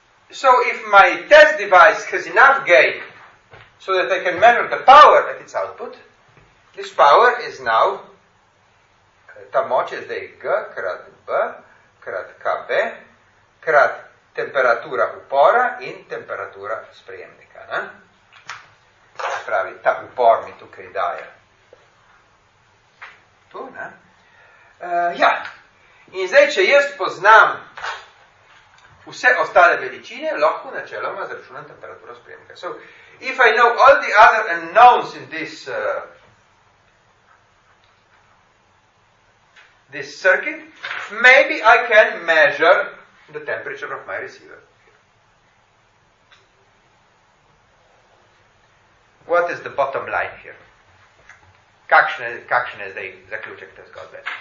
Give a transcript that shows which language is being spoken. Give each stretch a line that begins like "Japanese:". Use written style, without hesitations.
English: So if my test device has enough gain so that I can measure the power at its output, this power is now,
Slovenian: ta moč je zdaj G krat B krat KB krat temperatura upora in temperatura sprejemnika. Ne? Pravi, ta upor mi tukaj daje. Tu, ne? Ja. In zdaj, če jaz poznam vse ostale veličine, lahko načeloma zračunam temperaturo sprejemnika.
English: So, if I know all the other unknowns in this this circuit, maybe I can measure the temperature of my receiver. What is the bottom line here?
Slovenian: Kakšen je zdaj zaključek te zgodbe?